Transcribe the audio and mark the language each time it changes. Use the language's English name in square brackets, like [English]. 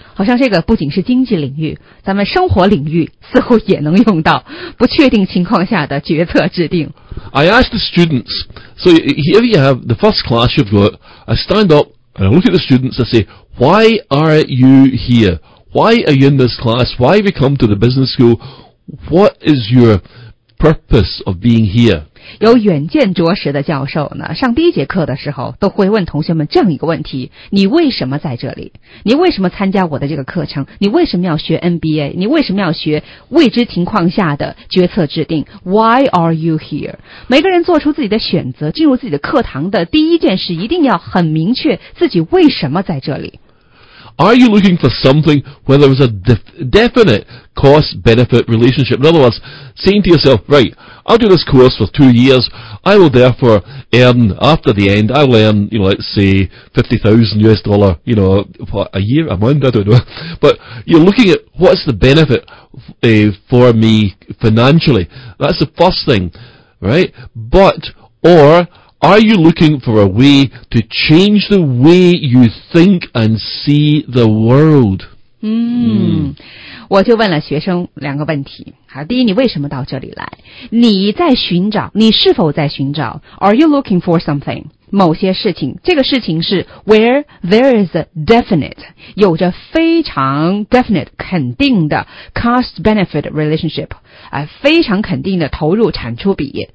[Chinese] 好像这个不仅是经济领域，咱们生活领域似乎也能用到不确定情况下的决策制定。 [English] I ask the students, so here you have the first class you've got. I stand up and I look at the students. I say, "Why are you here? Why are you in this class? Why have you come to the business school?" What is your purpose of being here? [Chinese] 有远见卓识的教授呢，上第一节课的时候都会问同学们这样一个问题：你为什么在这里？你为什么参加我的这个课程？你为什么要学 MBA？你为什么要学未知情况下的决策制定 ？ [English] Why are you here? [Chinese] 每个人做出自己的选择，进入自己的课堂的第一件事，一定要很明确自己为什么在这里。 [English] Are you looking for something where there is a definite cost-benefit relationship? In other words, saying to yourself, right, I'll do this course for 2 years. I will therefore earn, after the end, I'll earn, you know, let's say, $50,000, you know, a year, a month, I don't know. But you're looking at what's the benefit for me financially. That's the first thing, right? But, or are you looking for a way to change the way you think and see the world? [Chinese] 我就问了学生两个问题。好，第一，你为什么到这里来？你在寻找，你是否在寻找 ？ [English] Are you looking for something？ [Chinese] 某些事情，这个事情是 [English] where there is a definite， [Chinese] 有着非常 definite 肯定的 [English] cost benefit relationship， [Chinese] 非常肯定的投入产出比。